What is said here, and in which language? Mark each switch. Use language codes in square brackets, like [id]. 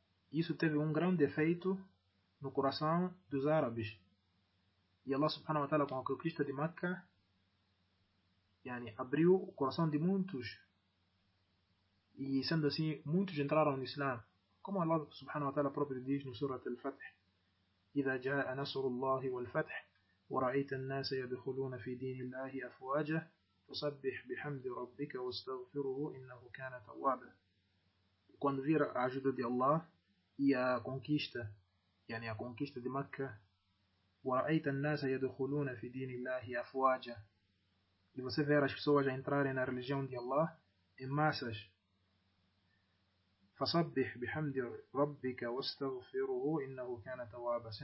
[pt] Isso teve um grande efeito no coração dos árabes. E Allah subhanahu wa ta'ala, com a conquista de Mecca, abriu o coração de muitos. E sendo assim, muitos entraram no Islã. Como Allah subhanahu wa ta'ala próprio diz no Surat al-Fath: [ar] إِذَا جَاءَ نَصْرُ اللَّهِ وَالْفَتْحِ وَرَأَيْتَ النَّاسَ يَدْخُلُونَ فِي دِينِ اللَّهِ أَفْوَاجًا فَصَبِّحْ بِحَمْدِ رَبِّكَ وَاسْتَغْفِرُهُ إِنَّهُ كَانَ تَوَّابًا. [pt] Quando vir a ajuda de Allah e a conquista, a conquista de Mecca, [ar] وَرَأَيْتَ النَّاسَ يَدْخُلُونَ فِي دِينِ اللَّهِ أَفْوَاجًا, [pt] e você ver as pessoas a entrarem na religião de Allah em massas, [ar] فَصَبِّحْ بِحَمْدِ رَبِّكَ وَاسْتَغْفِرُهُ إِنَّهُ كَانَ تَوَّابًا.